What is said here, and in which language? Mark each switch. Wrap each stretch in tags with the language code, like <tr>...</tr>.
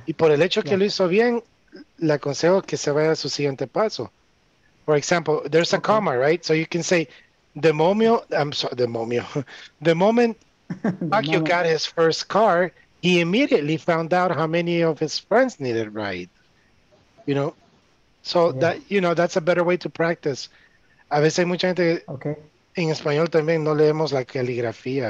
<es>Y por el hecho que lo hizo bien, le aconsejo que se vaya a su siguiente paso.</es> <en>For example, there's a comma, right? So you can say, the moment Akio got his first car, he immediately found out how many of his friends needed a ride. You know? So yeah. That, you know, that's a better way to practice.</en> <es>A veces hay mucha gente en español también no leemos la caligrafía.</es>